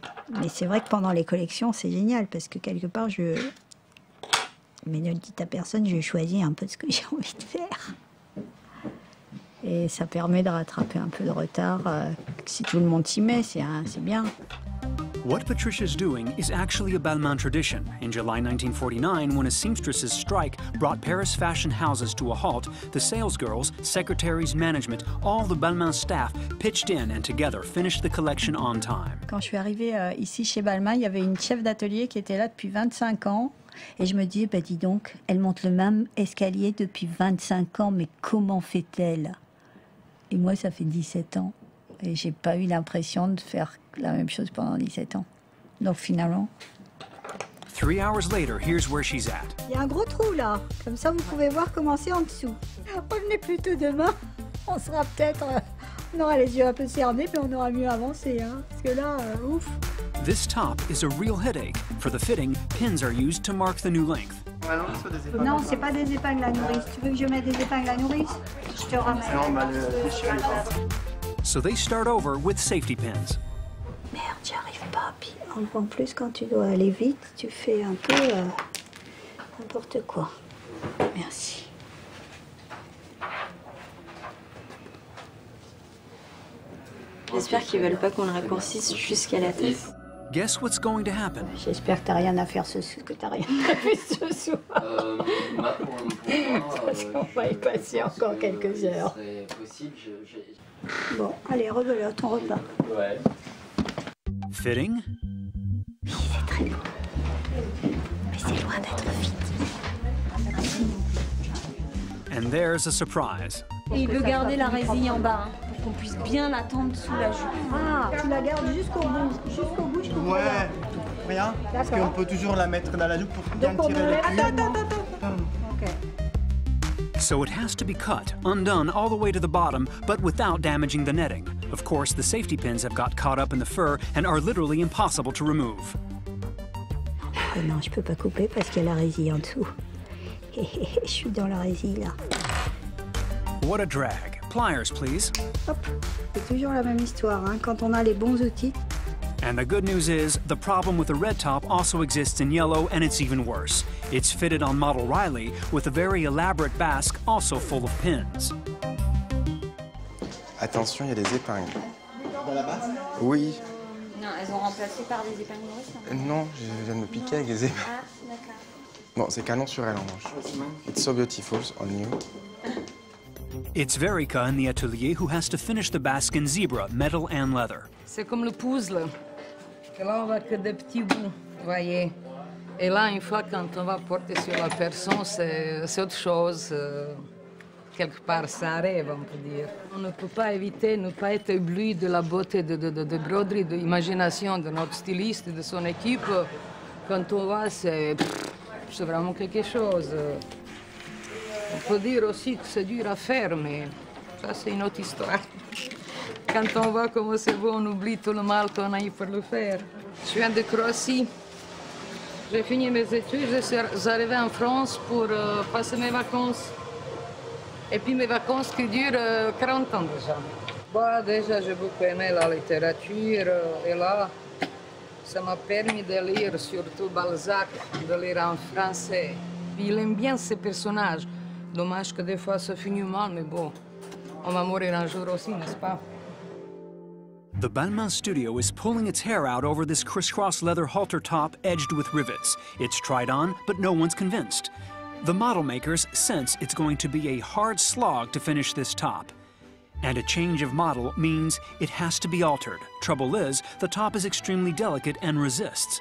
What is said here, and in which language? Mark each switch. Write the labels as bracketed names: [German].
[French] Mais c'est vrai que pendant les collections, c'est génial, parce que quelque part, je... Mais ne le dites à personne, je choisis un peu ce que j'ai envie de faire. Et ça permet de rattraper un peu de retard. Si tout le monde s'y met, c'est bien. [English] What Patricia's doing is actually a Balmain tradition. In July 1949, when a seamstress's strike brought Paris fashion houses to a halt, the salesgirls, secretaries, management, all the Balmain staff pitched in and together finished the collection on time. [French] Quand je suis arrivée ici chez Balmain, il y avait une chef d'atelier qui était là depuis 25 ans. Et je me dis, bah dis donc, elle monte le même escalier depuis 25 ans, mais comment fait-elle? Et moi, ça fait 17 ans. Et j'ai pas eu l'impression de faire la même chose pendant 17 ans. Donc finalement... [English] 3 hours later, here's where she's at. [French] Il y a un gros trou là. Comme ça, vous pouvez voir comment c'est en dessous. On n'est plus tôt demain. On sera peut-être... On aura les yeux un peu cernés, puis on aura mieux avancé. Hein. Parce que là, ouf. [English] This top is a real headache. For the fitting, pins are used to mark the new length. [French] Non, c'est pas des épingles à nourrice. Tu veux que je mette des épingles à nourrice? Je te ramène. Non, bah, le... [English] So they start over with safety pins. [French] Merde, j'y arrive pas. Puis en plus, quand tu dois aller vite, tu fais un peu n'importe quoi. Merci. J'espère qu'ils veulent pas qu'on le raccourcisse jusqu'à la tête. [English] Guess what's going to happen? [French] J'espère que t'as rien à faire ce soir. Parce qu'on va y passer encore quelques heures. Bon, allez, rebelote, on repart. Ouais. [English] Fitting? [French] Oui, c'est très beau. Mais c'est loin d'être vite. [English] And there's a surprise. [French] Et il veut garder la résille en bas, hein, pour qu'on puisse bien la tendre sous la jupe. Ah, tu la gardes jusqu'au bout, je comprends. Ouais, tout pour rien. D'accord. Parce qu'on peut toujours la mettre dans la jupe pour bien tirer le cuir. Attends. Ok. [English] So it has to be cut, undone all the way to the bottom, but without damaging the netting. Of course, the safety pins have got caught up in the fur and are literally impossible to remove. [French] Oh non, je peux pas couper parce qu'il y a la résille en dessous. Je suis dans la résille là. [English] What a drag. Pliers, please. [French] Hop, c'est toujours la même histoire, hein, quand on a les bons outils. [English] And the good news is, the problem with the red top also exists in yellow, and it's even worse. It's fitted on model Riley, with a very elaborate basque also full of pins. [French] Attention, il y a des épingles. Dans la basque? Oui. Non, elles ont remplacé par des épingles. Non, je viens de me piquer avec des épingles. Ah, d'accord. Bon, c'est canon sur elle en revanche. [English] It's so beautiful on you. It's Verica in the atelier who has to finish the basque in zebra, metal and leather. [French] C'est comme le puzzle. Et là, on va que des petits bouts, voyez. Et là, une fois, quand on va porter sur la personne, c'est autre chose. Quelque part, c'est un rêve, on peut dire. On ne peut pas éviter, ne pas être ébloui de la beauté de broderie, de l'imagination de notre styliste, de son équipe. Quand on voit, c'est vraiment quelque chose. On peut dire aussi que c'est dur à faire, mais ça, c'est une autre histoire. Quand on voit comment c'est beau, on oublie tout le mal qu'on a eu pour le faire. Je viens de Croatie. J'ai fini mes études, je suis arrivé en France pour passer mes vacances. Et puis mes vacances qui durent 40 ans déjà. Bah, déjà, j'ai beaucoup aimé la littérature. Et là, ça m'a permis de lire surtout Balzac, de lire en français. Il aime bien ses personnages. Dommage que des fois ça finit mal, mais bon, on va mourir un jour aussi, n'est-ce pas? [English] The Balmain studio is pulling its hair out over this crisscross leather halter top edged with rivets. It's tried on, but no one's convinced. The model makers sense it's going to be a hard slog to finish this top. And a change of model means it has to be altered. Trouble is, the top is extremely delicate and resists.